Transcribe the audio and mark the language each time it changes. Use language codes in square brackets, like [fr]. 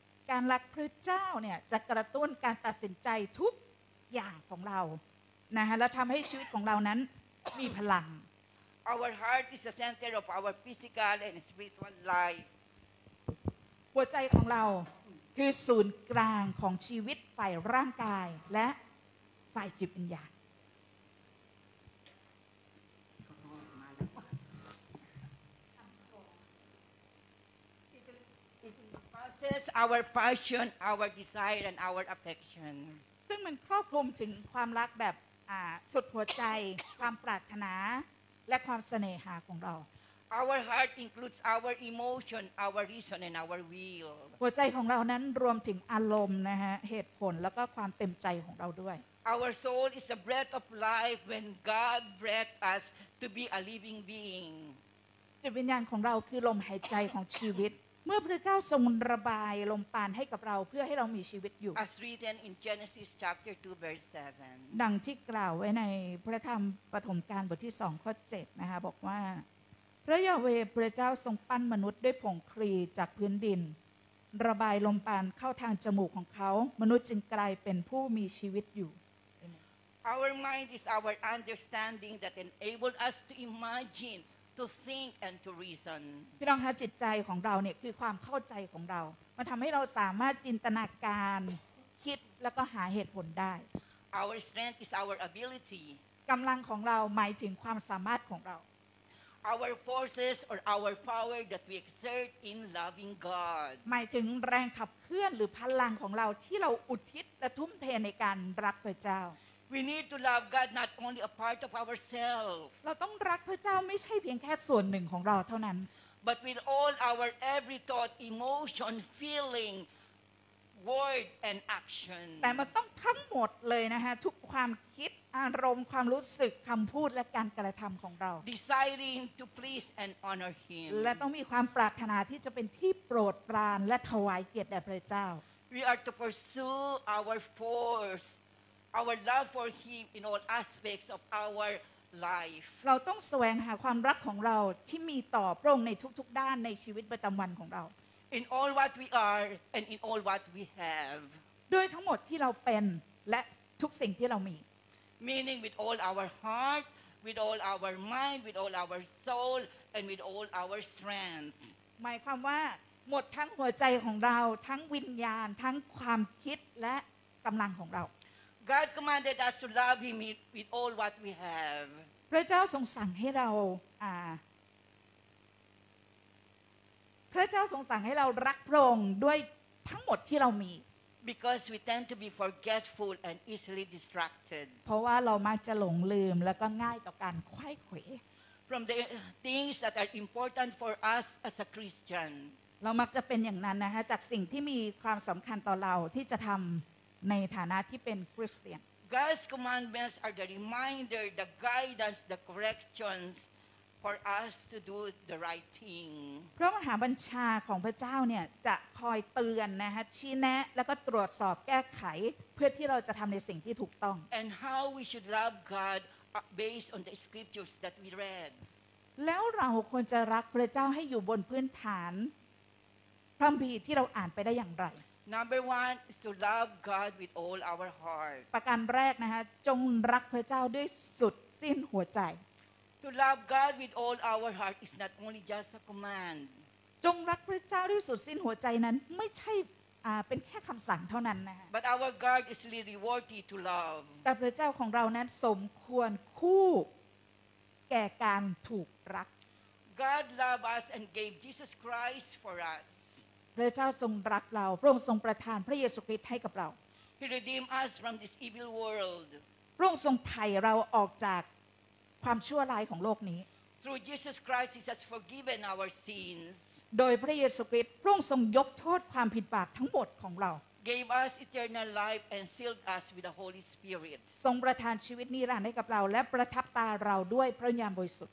[th] การรักพระเจ้าเนี่ยจะกระตุ้นการตัดสินใจทุกอย่างของเรานะฮะแล้วทำให้ชีวิตของเรานั้นมีพลัง [en] Our heart is the center of our physical and spiritual life [th] หัวใจของเราคือศูนย์กลางของชีวิตฝ่ายร่างกายและฝ่ายจิตวิญญาณ [en] It expresses our passion, our desire and our affection [th] ซึ่งมันครอบคลุมถึงความรักแบบสุดหัวใจความปรารถนาและความเสน่หาของเรา [en] Our heart includes our emotion, our reason, and our will. [th] หัวใจของเรานั้นรวมถึงอารมณ์นะฮะเหตุผลแล้วก็ความเต็มใจของเราด้วย [en] Our soul is the breath of life when God breathed us to be a living being. [th] จิตวิญญาณของเราคือลมหายใจของชีวิตเมื่อพระเจ้าทรงระบายลมปราณให้กับเราเพื่อให้เรามีชีวิตอยู่ [en] As written in Genesis chapter 2 verse 7 [th] ดังที่กล่าวไว้ในพระธรรมปฐมกาลบทที่2ข้อ7นะคะบอกว่าพระยาเวพระเจ้าทรงปั้นมนุษย์ด้วยผงครีจากพื้นดินระบายลมปราณเข้าทางจมูกของเขามนุษย์จึงกลายเป็นผู้มีชีวิตอยู่ [en] Our mind is our understanding that enables us to imagineto think and to reason [th] พี่น้องคะจิตใจของเราเนี่ยคือความเข้าใจของเรามันทำให้เราสามารถจินตนาการคิดแล้วก็หาเหตุผลได้ [en] Our strength is our ability [th] กำลังของเราหมายถึงความสามารถของเรา [en] our forces or our power that we exert in loving God. [th] หมายถึงแรงขับเคลื่อนหรือพลังของเราที่เราอุทิศและทุ่มเทในการรักพระเจ้า [en] We need to love God not only a part of ourselves. [th] เราต้องรักพระเจ้าไม่ใช่เพียงแค่ส่วนหนึ่งของเราเท่านั้น [en] But with all our every thought, emotion, feeling, word and action. [th] แต่มันต้องทั้งหมดเลยนะฮะทุกความคิดอารมณ์ความรู้สึกคำพูดและการกระทำของเรา [en] Deciding to please and honor Him. [th] และต้องมีความปรารถนาที่จะเป็นที่โปรดปรานและถวายเกียรติแด่พระเจ้า [en] We are to pursue our force, our love for Him in all aspects of our life. [th] เราต้องแสวงหาความรักของเราที่มีต่อพระองค์ในทุกๆด้านในชีวิตประจำวันของเรา [en] In all what we are and in all what we have. [th] ด้วยทั้งหมดที่เราเป็นและทุกสิ่งที่เรามี [en] Meaning with all our heart, with all our mind, with all our soul, and with all our strength. [th] หมายความว่าหมดทั้งหัวใจของเราทั้งวิญญาณทั้งความคิดและกำลังของเรา [en] God commanded us to love Him with all what we have. [th] พระเจ้าทรงสั่งให้เราพระเจ้าทรงสั่งให้เรารักพระองค์ด้วยทั้งหมดที่เรามี [en] Because we tend to be forgetful and easily distracted [th] เพราะว่าเรามักจะหลงลืมแล้วก็ง่ายต่อการไขว้เขว [en] From the things that are important for us as a Christian [th] เรามักจะเป็นอย่างนั้นนะฮะจากสิ่งที่มีความสำคัญต่อเราที่จะทำในฐานะที่เป็นคริสเตียน [en] God's commandments are the reminder, the guidance, the corrections. For us to do the right thing. [th] พระมหาบัญชาของพระเจ้าเนี่ยจะคอยเตือนนะฮะชี้แนะแล้วก็ตรวจสอบแก้ไขเพื่อที่เราจะทำในสิ่งที่ถูกต้อง [en] And how we should love God based on the scriptures that we read. [th] แล้วเราควรจะรักพระเจ้าให้อยู่บนพื้นฐานพระคัมภีร์ที่เราอ่านไปได้อย่างไร [en] Number one is to love God with all our heart. [th] ประการแรกนะฮะจงรักพระเจ้าด้วยสุดสิ้นหัวใจ [en] To love God with all our heart is not only just a command. [th] จงรักพระเจ้าด้วยสุดสิ้นหัวใจนั้นไม่ใช่เป็นแค่คำสั่งเท่านั้นนะ [en] But our God is really worthy to love. [th] แต่พระเจ้าของเรานั้นสมควรคู่แก่การถูกรัก [en] God loved us and gave Jesus Christ for us. [th] พระเจ้าทรงรักเราพระองค์ทรงประทานพระเยซูคริสต์ให้กับเรา [en] He redeemed us from this evil world. [th] พระองค์ทรงไถ่เราออกจากความชั่วร้ายของโลกนี้ [en] Through Jesus Christ, He has forgiven our sins. [th] โดยพระเยซูคริสต์พระองค์ทรงยกโทษความผิดบาปทั้งหมดของเรา [en] Gave us eternal life and sealed us with the Holy Spirit. [th] ทรงประทานชีวิตนิรันดร์ให้กับเราและประทับตาเราด้วยพระญาณบริสุทธิ